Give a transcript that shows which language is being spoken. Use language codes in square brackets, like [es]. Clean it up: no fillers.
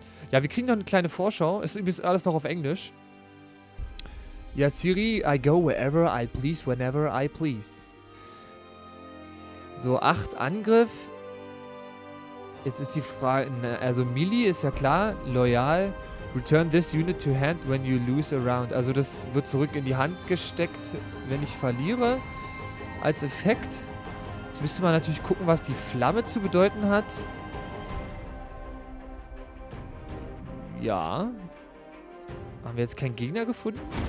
[de] Ja, wir kriegen noch eine kleine Vorschau. Es ist übrigens alles noch auf Englisch. Ja, Siri, [en] I go wherever I please, [de] whenever I please. So, 8 Angriff. Jetzt ist die Frage, also Melee ist ja klar, loyal. [en] Return this unit to hand when you lose a round. [de] Also das wird zurück in die Hand gesteckt, wenn ich verliere. Als Effekt. Jetzt müsste man natürlich gucken, was die Flamme zu bedeuten hat. Ja. Haben wir jetzt keinen Gegner gefunden?